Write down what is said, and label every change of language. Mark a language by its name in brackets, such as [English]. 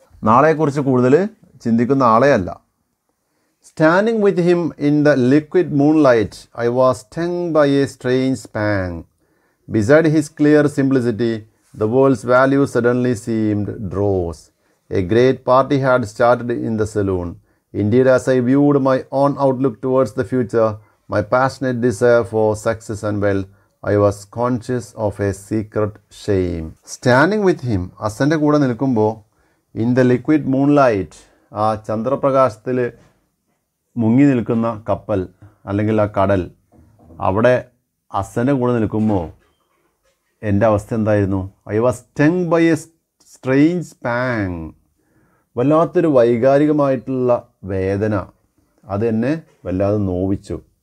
[Malayalam] നാളെക്കുറിച്ച് കൂടുതൽ ചിന്തിക്കുന്ന ആളെയല്ല. [English] Standing with him in the liquid moon light, I was stung by a strange pang. Beside his clear simplicity, the world's value suddenly seemed dross. A great party had started in the saloon. Indeed, as I viewed my own outlook towards the future, my passionate desire for success and wealth, I was conscious of a secret shame. Standing with him, [Malayalam] അസൻ്റെ കൂടെ നിൽക്കുമ്പോൾ, [English] in the liquid moon light, [Malayalam] ആ ചന്ദ്രപ്രകാശത്തിൽ മുങ്ങി നിൽക്കുന്ന കപ്പൽ അല്ലെങ്കിൽ ആ കടൽ, അവിടെ അസൻ്റെ കൂടെ നിൽക്കുമ്പോൾ എൻ്റെ അവസ്ഥ എന്തായിരുന്നു? [English] I was stung by a strange pang. [Malayalam] വല്ലാത്തൊരു വൈകാരികമായിട്ടുള്ള വേദന, അത് എന്നെ വല്ലാതെ നോവിച്ചു.